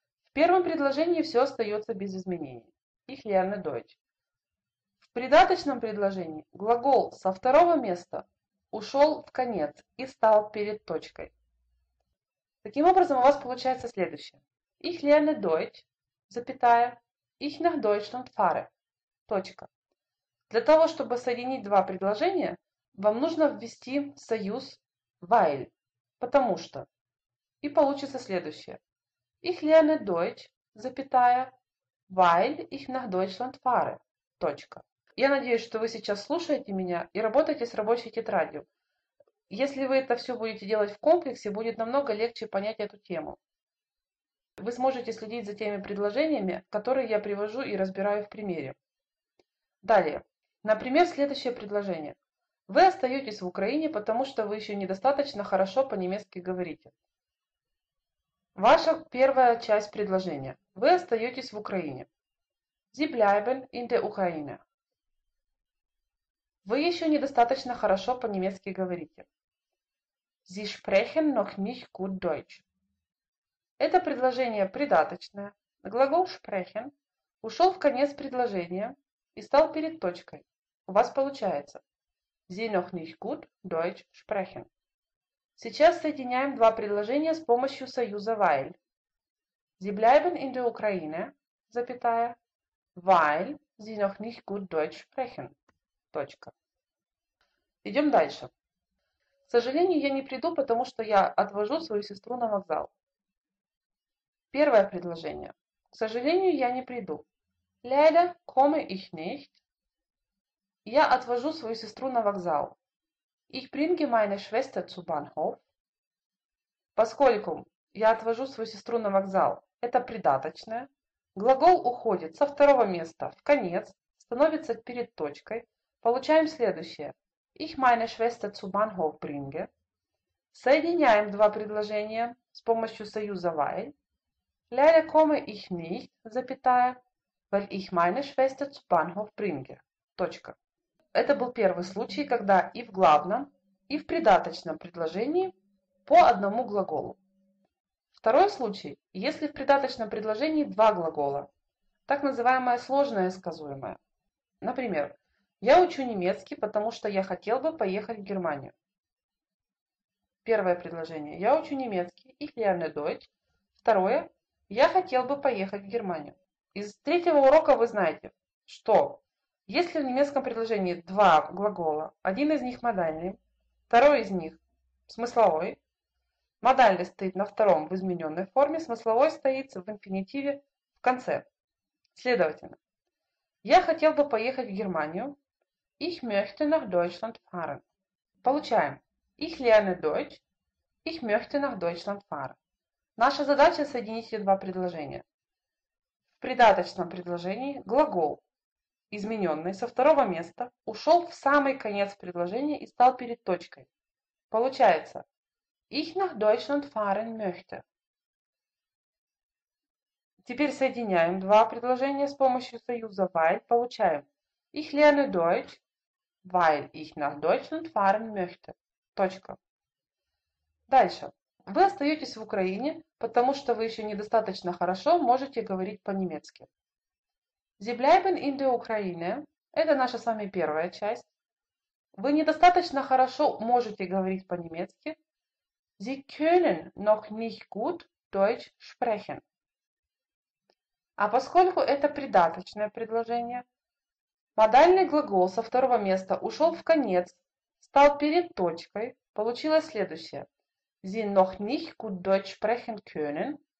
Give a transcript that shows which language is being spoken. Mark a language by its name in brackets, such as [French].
[Russian] В первом предложении все остается без изменений. [German] Ich lerne Deutsch. [Russian] В придаточном предложении глагол со 2-го места ушел в конец и стал перед точкой. Таким образом, у вас получается следующее. [German] Ich lerne Deutsch, [Russian] запятая, [German] ich nach Deutschland fahre, [Russian] точка. Для того, чтобы соединить 2 предложения, вам нужно ввести союз weil, потому что. И получится следующее. [German] Ich lerne Deutsch, [Russian] запятая, [German] weil ich nach Deutschland fahre, [Russian] точка. Я надеюсь, что вы сейчас слушаете меня и работаете с рабочей тетрадью. Если вы это все будете делать в комплексе, будет намного легче понять эту тему. Вы сможете следить за теми предложениями, которые я привожу и разбираю в примере. Далее. Например, следующее предложение. Вы остаетесь в Украине, потому что вы еще недостаточно хорошо по-немецки говорите. Ваша первая часть предложения. Вы остаетесь в Украине. [German] Sie bleiben in der Ukraine. [Russian] Вы еще недостаточно хорошо по-немецки говорите. [German] Sie sprechen noch nicht gut Deutsch. [Russian] Это предложение придаточное. Глагол sprechen ушел в конец предложения и стал перед точкой. У вас получается. [German] Sie noch nicht gut Deutsch sprechen. [Russian] Сейчас соединяем 2 предложения с помощью союза weil. [German] Sie bleiben in der Ukraine, [Russian] запятая, [German] weil sie noch nicht gut Deutsch sprechen. [Russian] Точка. Идем дальше. К сожалению, я не приду, потому что я отвожу свою сестру на вокзал. Первое предложение. К сожалению, я не приду. [German] Leider komme ich nicht. [Russian] Я отвожу свою сестру на вокзал. [German] Ich bringe meine Schwester zu Bahnhof. [Russian] Поскольку я отвожу свою сестру на вокзал, это придаточное. Глагол уходит со 2-го места в конец, становится перед точкой. Получаем следующее. [German] Ich meine Schwester zu Bahnhof bringe. [Russian] Соединяем 2 предложения с помощью союза weil. [German] Leider komme ich nicht, [Russian] запятая, [German] weil ich meine Schwester zu Bahnhof bringe. [Russian] Точка. Это был первый случай, когда и в главном, и в придаточном предложении по 1 глаголу. Второй случай, если в придаточном предложении 2 глагола. Так называемое сложное сказуемое. Например, я учу немецкий, потому что я хотел бы поехать в Германию. Первое предложение. Я учу немецкий. [German] Ich lerne Deutsch. [Russian] Второе. Я хотел бы поехать в Германию. Из 3-го урока вы знаете, что если в немецком предложении 2 глагола, один из них модальный, второй из них смысловой. Модальный стоит на 2-м в измененной форме, смысловой стоит в инфинитиве в конце. Следовательно, я хотел бы поехать в Германию. [German] Ich möchte nach Deutschland fahren. [Russian] Получаем. [German] Ich lerne Deutsch. Ich möchte nach Deutschland fahren. [Russian] Наша задача соединить эти два предложения. В придаточном предложении глагол, измененный со второго места, ушел в самый конец предложения и стал перед точкой. Получается. [German] Ich nach Deutschland fahren möchte. [Russian] Теперь соединяем два предложения с помощью союза weil. Получаем. [German] Ich lerne Deutsch, weil ich nach Deutschland fahren möchte. [Russian] Точка. Дальше. Вы остаетесь в Украине, потому что вы еще недостаточно хорошо можете говорить по-немецки. [German] Sie bleiben in der Ukraine. [Russian] Это наша с вами первая часть. Вы недостаточно хорошо можете говорить по-немецки. [German] Sie können noch nicht gut Deutsch sprechen. [Russian] А поскольку это придаточное предложение, модальный глагол со второго места ушел в конец, стал перед точкой, получилось следующее. [German] Sie noch nicht gut Deutsch sprechen können.